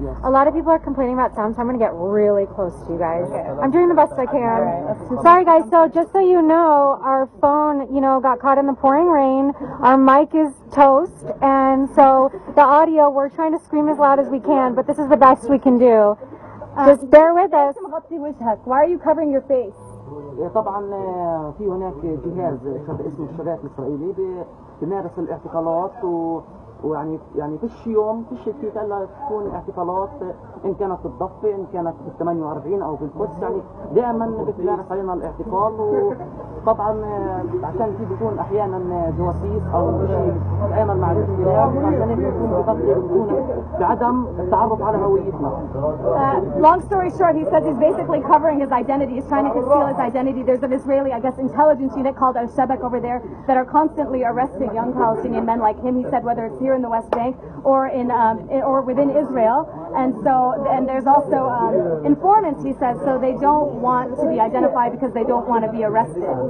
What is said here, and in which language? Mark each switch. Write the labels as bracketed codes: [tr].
[en] A lot of people are complaining about sound, so I'm going to get really close to you guys. I'm doing the best I can. Sorry, guys. So just so you know, our phone, you know, got caught in the pouring rain. Our mic is toast. And so the audio, we're trying to scream as loud as we can, but this is the best we can do. Just bear with us. Why are you covering your face? [ar] طبعا في هناك جهاز اسمه الشغلات الاسرائيلي بيمارس الاعتقالات ويعني فيش يوم فيش كيف الا تكون اعتقالات, ان كانت بالضفه ان كانت بال 48 او بالقدس, يعني دائما بتمارس علينا الاعتقال. وطبعا عشان في بيكون احيانا جواسيس او شيء دائما مع الاختلاف, عشان بيكون بيكون بعدم التعرف على هويتنا. [en] Long story short, he says he's basically covering his identity, he's trying to conceal his identity. There's an Israeli, I guess, intelligence unit called Al-Shabak over there that are constantly arresting young Palestinian men like him. He said whether it's here in the West Bank or in or within Israel, and so and there's also informants, he says, so they don't want to be identified because they don't want to be arrested.